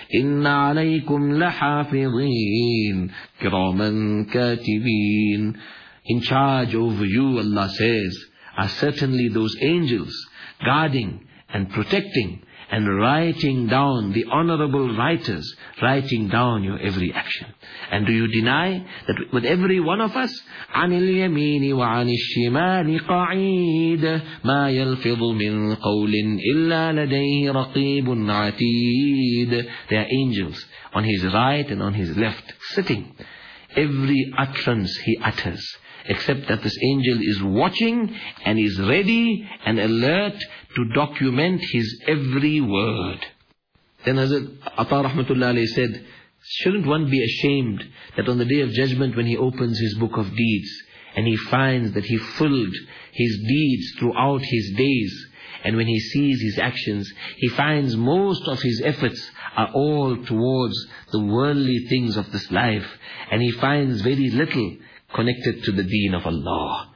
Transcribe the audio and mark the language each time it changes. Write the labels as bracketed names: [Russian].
[Arabic] إِنَّ عَلَيْكُمْ لَحَافِظِينَ كِرَامًا كَاتِبِينَ. [English] In charge over you, Allah says, are certainly those angels guarding and protecting and writing down the honorable writers, writing down your every action. And do you deny that with every one of us, [Arabic] عَنِ الْيَمِينِ وَعَنِ الشِّمَالِ قَعِيدَ مَا يَلْفِظُ مِنْ قَوْلٍ إِلَّا لَدَيْهِ رَقِيبٌ عَتِيدٌ. [English] They are angels on his right and on his left sitting. Every utterance he utters, except that this angel is watching and is ready and alert to document his every word. Then Hazrat Atta rahmatullah alayhi said, shouldn't one be ashamed that on the day of judgment when he opens his book of deeds and he finds that he filled his deeds throughout his days, and when he sees his actions, he finds most of his efforts are all towards the worldly things of this life, and he finds very little connected to the deen of Allah.